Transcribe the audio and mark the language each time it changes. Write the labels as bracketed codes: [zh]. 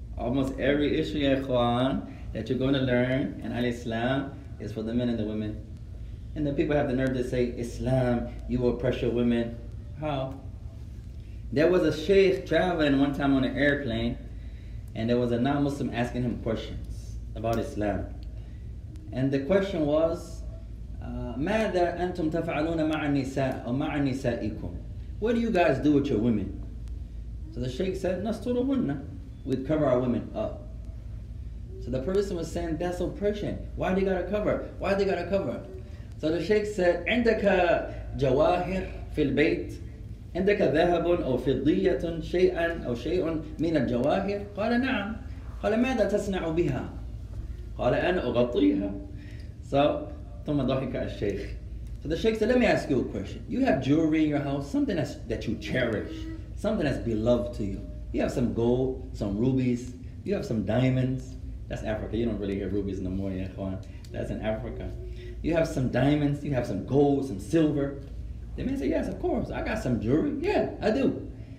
[en] Almost every issue, ya ikhwan, that you're going to learn in al-Islam is for the men and the women. And the people have the nerve to say, Islam, you oppress your women. How? There was a sheikh traveling one time on an airplane, and there was a non-Muslim asking him questions about Islam. And the question was, [ar] ماذا أنتم تفعلون مع النساء أو مع نسائكم? [en] What do you guys do with your women? So the sheikh said, [ar] نسترهن. [en] We'd cover our women up. So the person was saying, that's oppression. Why do you gotta cover? Why do you gotta cover? So the sheikh said, [ar] عندك جواهر في البيت? عندك ذهب أو فضية شيئا أو شيء من الجواهر? قال نعم. قال ماذا تصنع بها? قال أنا أغطيها. [en] So, [ar] ثم ضحك الشيخ. [en] So the sheikh said, let me ask you a question. You have jewelry in your house, something that you cherish, something that's beloved to you. You have some gold, some rubies, you have some diamonds. That's Africa, you don't really hear rubies no more, yeah, Juan. That's in Africa. You have some diamonds, you have some gold, some silver. The man said, yes, of course, I got some jewelry. Yeah, I do.